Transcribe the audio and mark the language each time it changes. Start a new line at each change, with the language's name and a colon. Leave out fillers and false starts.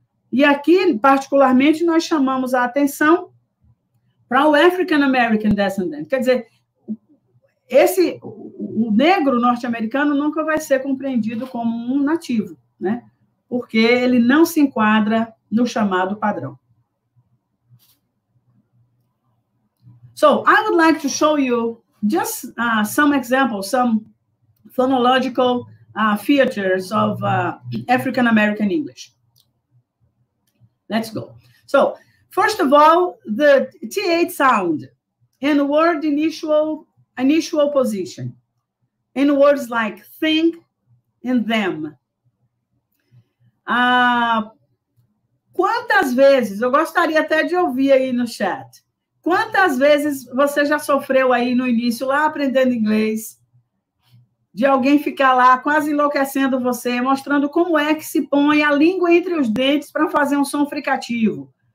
Portuguese: E aqui, particularmente, nós chamamos a atenção para o
English: African American descendant.
Portuguese: Quer dizer, o negro norte-americano nunca vai ser compreendido como um nativo, né? Porque ele não se enquadra no chamado padrão.
English: So, I would like to show you just some examples, some phonological features of African American English. Let's go. So, first of all, the TH sound in word initial position, in words like think and them.
Portuguese: Quantas vezes, eu gostaria até de ouvir aí no chat, quantas vezes você já sofreu aí no início, lá aprendendo inglês, de alguém ficar lá quase enlouquecendo você, mostrando como é que se põe a língua entre os dentes para fazer um som fricativo.